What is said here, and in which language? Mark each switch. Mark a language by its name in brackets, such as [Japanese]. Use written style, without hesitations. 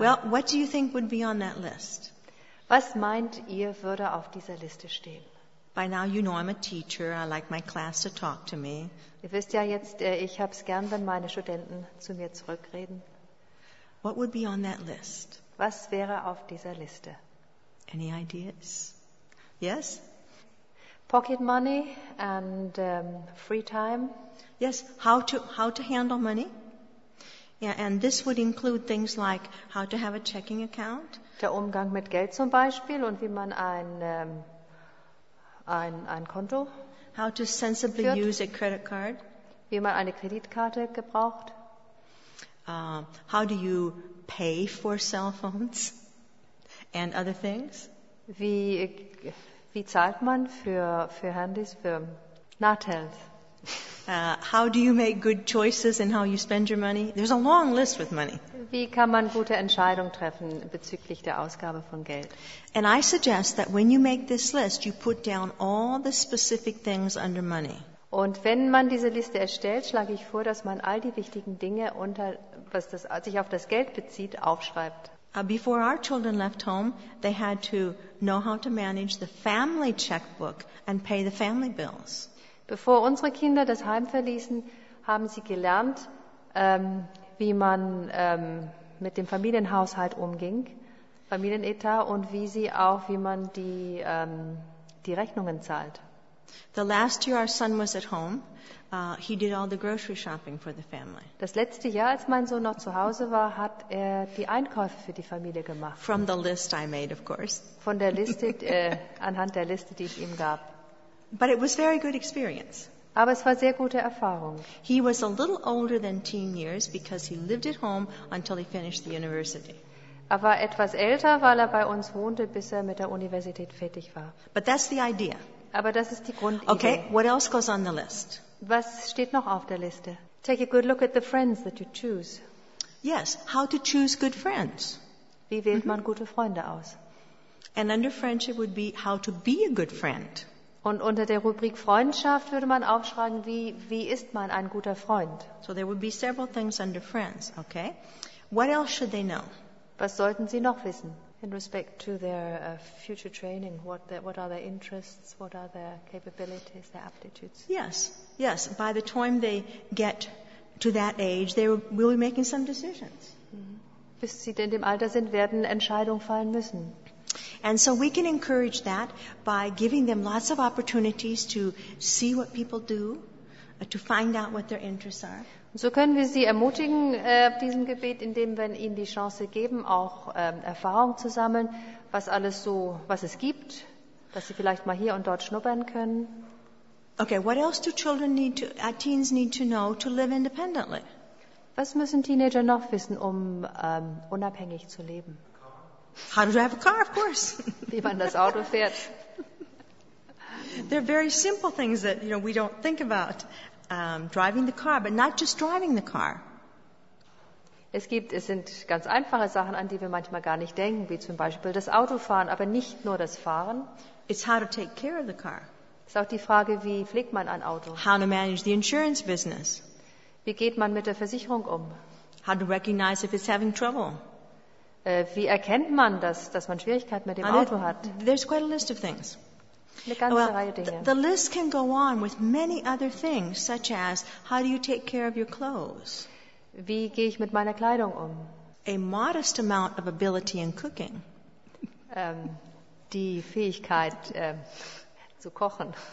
[English] Well, what do you think would be on that list? [German] Was meint ihr, würde auf dieser Liste stehen? [English] By now you know I'm a teacher. I like my class to talk to me. [German] Ihr wisst ja jetzt, ich hab's gern, wenn meine Studenten zu mir zurückreden. [English] What would be on that list? [German] Was wäre auf dieser Liste? [English] Any ideas? Yes? Pocket money and free time. Yes, how to handle money. Yeah, and this would include things like how to have a checking account. [German] Der Umgang mit Geld zum Beispiel und wie man ein Konto. [English] How to sensibly [German] führt. [English] Use a credit card. [German] Wie man eine Kreditkarte gebraucht. [English] How do you pay for cell phones and other things? [German] Wie zahlt man für Handys, für Nathels? [English] How do you make good choices in how you spend your money? There's a long list with money. [German] Wie kann man gute Entscheidungen treffen bezüglich der Ausgabe von Geld? [English] And I suggest that when you make this list, you put down all the specific things under money. [German] Und wenn man diese Liste erstellt, schlage ich vor, dass man all die wichtigen Dinge, unter, was das, sich auf das Geld bezieht, aufschreibt. [English] Before our children left home, they had to know how to manage the family checkbook and pay the family bills. [German] Bevor unsere Kinder das Heim verließen, haben sie gelernt, wie man mit dem Familienhaushalt umging, Familienetat, und wie sie auch, wie man die die Rechnungen zahlt. [English] The last year our son was at home, he did all the grocery shopping for the family. [German] Das letzte Jahr, als mein Sohn noch zu Hause war, hat er die Einkäufe für die Familie gemacht. [English] From the list I made, of course. [German] Von der Liste, anhand der Liste, die ich ihm gab. [English] But it was very good experience. [German] Aber es war sehr gute Erfahrung. [English] He was a little older than teen years because he lived at home until he finished the university. [German] Er war etwas älter, weil er bei uns wohnte, bis er mit der Universität fertig war. [English] But that's the idea. [German] Aber das ist die Grundidee. [English] Okay, what else goes on the list? [German] Was steht noch auf der Liste? [English] Take a good look at the friends that you choose. Yes, how to choose good friends. [German] Wie wählt man gute Freunde aus? [English] And under friendship would be how to be a good friend. [German] Und unter der Rubrik Freundschaft würde man aufschreiben, wie ist man ein guter Freund? [English] So there would be several things under friends, okay? What else should they know? [German] Was sollten sie noch wissen? [English] In respect to their future training, what are their interests, what are their capabilities, their aptitudes? Yes. By the time they get to that age, they will be making some decisions. Mm-hmm. [German] Bis sie denn im Alter sind, werden Entscheidungen fallen müssen. [English] And so we can encourage that by giving them lots of opportunities to see what people do, to find out what their interests are. [German] So können wir sie ermutigen auf diesem Gebiet, indem wir ihnen die Chance geben, auch Erfahrung zu sammeln, was es gibt, dass sie vielleicht mal hier und dort schnuppern können. [English] Okay, what else do children need to, teens need to know to live independently? [German] Was müssen Teenager noch wissen, um unabhängig zu leben? [English] How to drive a car, of course. [German] Wie man das Auto fährt. [English] They're very simple things that, you know, we don't think about. Driving the car, but not just driving the car. [German] Es sind ganz einfache Sachen, an die wir manchmal gar nicht denken, wie zum Beispiel das Autofahren, aber nicht nur das Fahren. [English] It's how to take care of the car. [German] Es ist auch die Frage, wie pflegt man ein Auto? [English] How to manage the insurance business. [German] Wie geht man mit der Versicherung um? [English] How to recognize if it's having trouble. [German] Wie erkennt man, dass man Schwierigkeiten mit dem Auto hat? [English] There's quite a list of things. The list can go on with many other things, such as how do you take care of your clothes? [German] Wie gehe ich mit meiner Kleidung um? [English] A modest amount of ability in cooking. [German] Die Fähigkeit zu kochen.